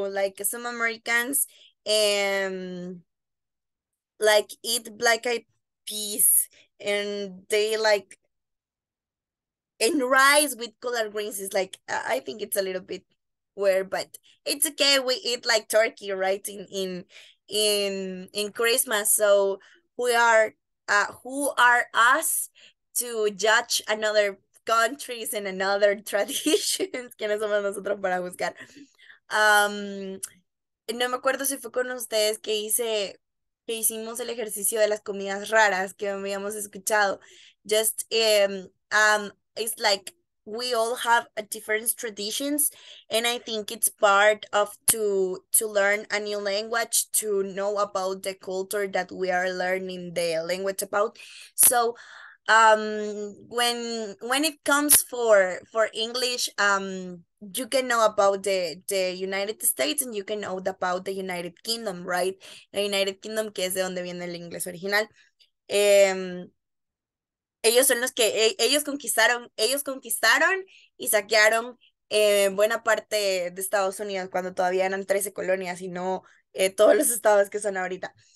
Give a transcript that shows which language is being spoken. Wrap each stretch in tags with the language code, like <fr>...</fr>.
<en>Like some Americans like eat black-eyed peas and they like and rice with collard greens is like I think it's a little bit weird, but it's okay. We eat like turkey, right? In Christmas, so who are us to judge another countries and another traditions?</en> <es>¿Quiénes somos nosotros para juzgar? No me acuerdo si fue con ustedes que hicimos el ejercicio de las comidas raras que habíamos escuchado.</es> <en>Just it's like we all have a different traditions, and I think it's part of to learn a new language, to know about the culture that we are learning the language about. So when it comes for English, you can know about the United States and you can know about the United Kingdom, right?</en> <es>The United Kingdom, que es de donde viene el inglés original. Ellos son los que ellos conquistaron y saquearon buena parte de Estados Unidos cuando todavía eran 13 colonias y no todos los estados que son ahorita.</es>